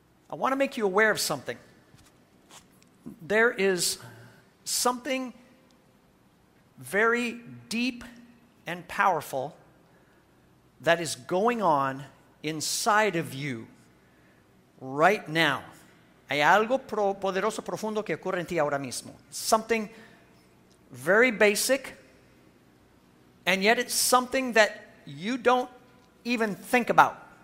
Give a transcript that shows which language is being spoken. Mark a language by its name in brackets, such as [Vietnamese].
[English] I want to make you aware of something. There is something very deep and powerful that is going on inside of you right now. [Spanish] Hay algo poderoso, profundo que ocurre en ti ahora mismo. [English] Something very basic, and yet it's something that you don't even think about.